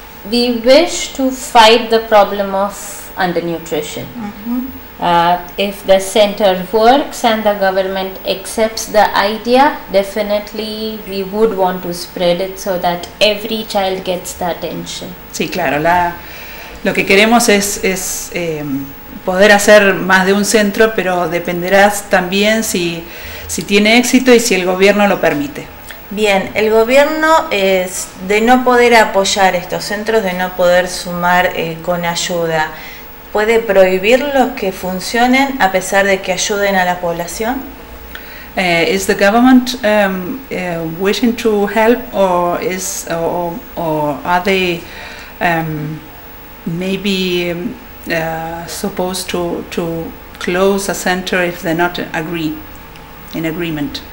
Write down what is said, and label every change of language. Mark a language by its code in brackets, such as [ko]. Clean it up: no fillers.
[en] We wish to fight the problem of undernutrition. Uh-huh. If the center works and the government accepts the idea, definitely we would want to spread it so that every child gets the attention. [es] Sí, claro. Lo que queremos es poder hacer más de un centro, pero dependerá también si tiene éxito y si el gobierno lo permite. Bien, el gobierno es de no poder apoyar estos centros, de no poder sumar con ayuda. ¿Puede prohibirlos que funcionen a pesar de que ayuden a la población? [en] Is the government wishing to help supposed to close a center if they're not in agreement?